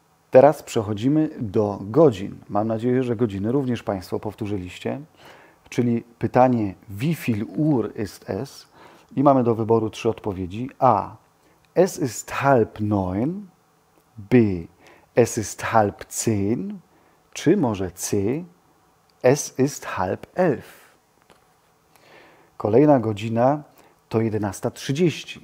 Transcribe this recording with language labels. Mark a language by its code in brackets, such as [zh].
[pl] Teraz przechodzimy do godzin. Mam nadzieję, że godziny również Państwo powtórzyliście. Czyli pytanie, [de] wie viel Uhr ist es? [pl] I mamy do wyboru trzy odpowiedzi. [de] A. Es ist halb neun. B. Es ist halb zehn. [pl] Czy może C. [de] Es ist halb elf. [pl] Kolejna godzina to 11.30.